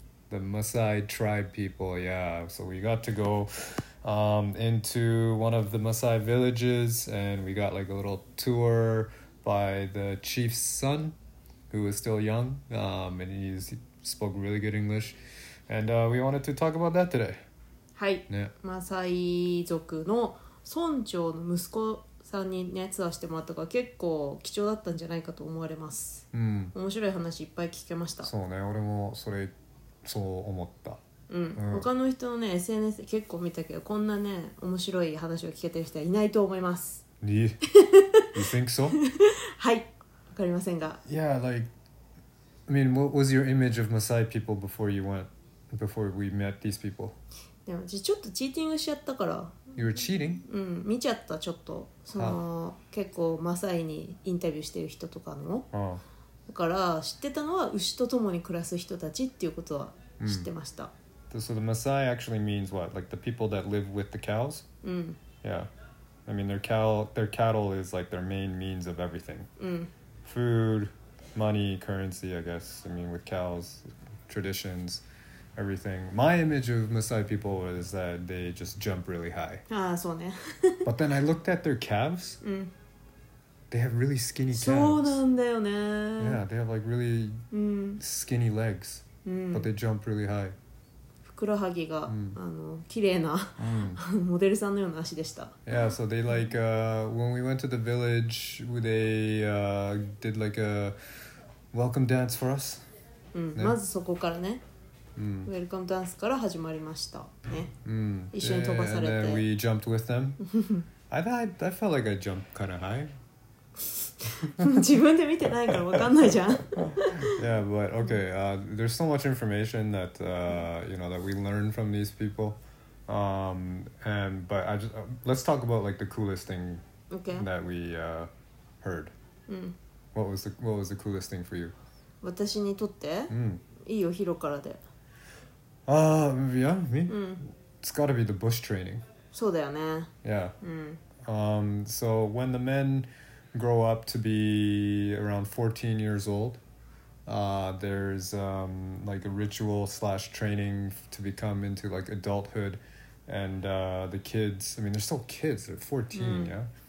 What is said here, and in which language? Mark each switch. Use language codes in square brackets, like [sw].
[en] The Maasai tribe people, yeah. So we got to go into one of the Maasai villages and we got like a little tour by the chief's son who was still young and he spoke really good English and we wanted to talk about that today. [ja] はい、 [en] yeah. [ja] Maasai 族の村長の息子さんにね、ツアーしてもらったから結構貴重だったんじゃないかと思われます。うん。面白い話いっぱい聞けました。そうね、俺もそれそう思った。うん、他の人のね SNS 結構見たけどこんなね面白い話を聞けてる人はいないと思います。 [en] You think so? [ja] はい、わかりませんが。 [en] Yeah, like, I mean, what was your image of Maasai people before you went, before we met these people? [ja] でもちょっとチーティングしちゃったから。 [en] You were cheating? [ja] うん、見ちゃったちょっとその、結構マサイにインタビューしてる人とかの。だから知ってたのは牛と共に暮らす人たちっていうことは知ってました。うん、 [en] So the Maasai actually means what? Like the people that live with the cows? Yeah. I mean their cattle is like their main means of everything. Food, money, currency, I guess. I mean with cows, traditions, everything. My image of Maasai people was that they just jump really high. Ah, so ne. But then I looked at their calves. They have really skinny calves. [ja] そうなんだよね。 [en] Yeah, they have like really skinny legs. But they jump really high. [ja] ふくらはぎが、あの、綺麗な、モデルさんのような足でした。 [en] Yeah, so they like, when we went to the village, they, did like a welcome dance for us. [ja] うん、まずそこからね。うん。 Welcome dance から始まりました。ね。うん。一緒に飛ばされて。 [en] And then we jumped with them. I felt like I jumped kind of high. [ja] 自分で見てないから分かんないじゃん。 [en] Yeah, but okay, there's so much information that, you know, that we learned from these people. And, but I just, let's talk about like the coolest thing that we, heard. What was the coolest thing for you? [ja] 私にとって、いいよ、ヒロからで。 [en] Yeah, me? It's gotta be the bush training. [ja] そうだよね。 [en] Yeah. So when the men grow up to be around 14 years old,there's like a ritual slash training to become into like adulthood and the kids, I mean they're still kids, they're 14, yeah?